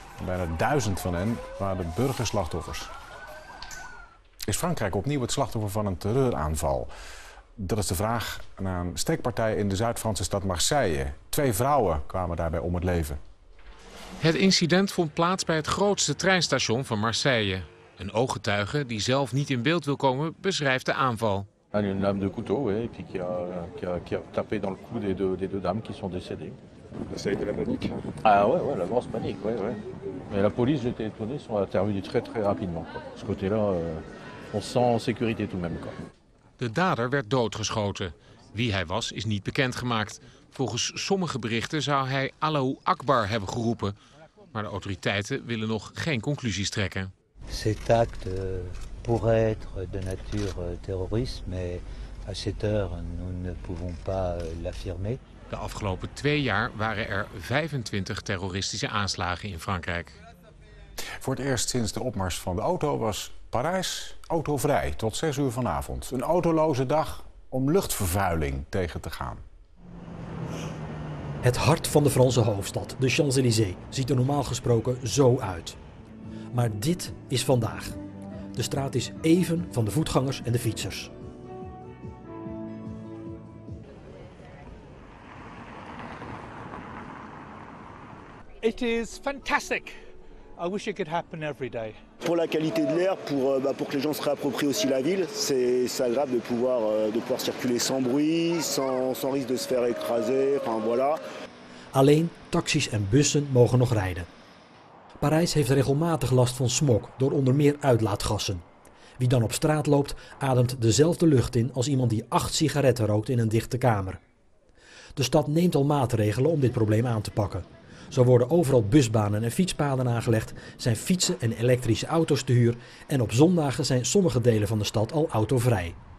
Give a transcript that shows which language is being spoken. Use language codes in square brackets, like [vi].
[nl] Bijna 1.000 van hen waren burgerslachtoffers. Is Frankrijk opnieuw het slachtoffer van een terreuraanval? Dat is de vraag naar een steekpartij in de Zuid-Franse stad Marseille. Twee vrouwen kwamen daarbij om het leven. Het incident vond plaats bij het grootste treinstation van Marseille. Een ooggetuige die zelf niet in beeld wil komen, beschrijft de aanval. [fr] Een lame de couteau, oui, et puis qui a tapé dans le cou des deux dames qui sont décédées. Ça a été la panique. Ah ouais, la grosse panique, ouais. Mais la police, j'étais étonné, sont intervenus très très rapidement. Quoi. Ce côté-là, on sent en sécurité tout même. Quoi. [nl] De dader werd doodgeschoten. Wie hij was, is niet bekendgemaakt. Volgens sommige berichten zou hij Allahu Akbar hebben geroepen, maar de autoriteiten willen nog geen conclusies trekken. [fr] Cet acte pourrait être de nature terroriste, mais à cette heure, nous ne pouvons pas l'affirmer. [nl] De afgelopen 2 jaar waren er 25 terroristische aanslagen in Frankrijk. Voor het eerst sinds de opmars van de auto was Parijs autovrij tot 6 uur vanavond. Een autoloze dag om luchtvervuiling tegen te gaan. Het hart van de Franse hoofdstad, de Champs-Élysées, ziet er normaal gesproken zo uit. Maar dit is vandaag. De straat is even van de voetgangers en de fietsers. [en] It is fantastic. I wish it could happen every day. [fr] Pour la qualité de l'air, pour que les gens se réapproprient aussi la ville, c'est agréable de pouvoir circuler sans bruit, sans risque de se faire écraser, enfin voilà. [nl] Alleen taxis en bussen mogen nog rijden. Parijs heeft regelmatig last van smog door onder meer uitlaatgassen. Wie dan op straat loopt, ademt dezelfde lucht in als iemand die 8 sigaretten rookt in een dichte kamer. De stad neemt al maatregelen om dit probleem aan te pakken. Zo worden overal busbanen en fietspaden aangelegd, zijn fietsen en elektrische auto's te huur en op zondagen zijn sommige delen van de stad al autovrij.